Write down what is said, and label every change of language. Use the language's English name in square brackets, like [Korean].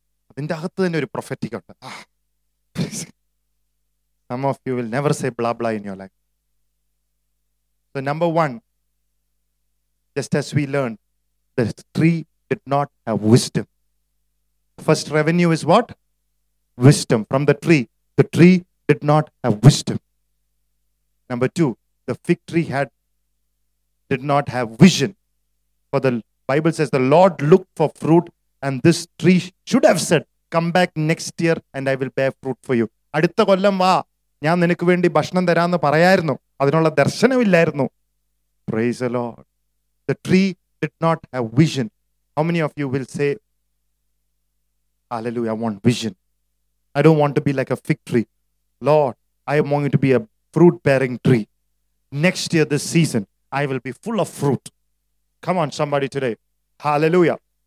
[Malayalam] അതിന്റെ അകത്ത് തന്നെ ഒരു പ്രൊഫറ്റിക് ഉണ്ട്. [English] Some of you will never say blah blah in your life. So number one, just as we learned, the tree did not have wisdom. First revenue is what? Wisdom from the tree. The tree did not have wisdom. Number two, the fig tree did not have vision. For the Bible says the Lord looked for fruit, and this tree should have said, come back next year and I will bear fruit for you. [Malayalam] അടുത്ത കൊല്ലം വാ, ഞാൻ നിനക്ക് വേണ്ടി ഭക്ഷണം തരാമെന്ന് പറയായിരുന്നു, അതിനുള്ള ദർശനമില്ലായിരുന്നു. [English] Praise the Lord. The tree did not have vision. How many of you will say, hallelujah, I want vision. I don't want to be like a fig tree. Lord, I am going to be a fruit-bearing tree. Next year, this season, I will be full of fruit. Come on, somebody today. Hallelujah.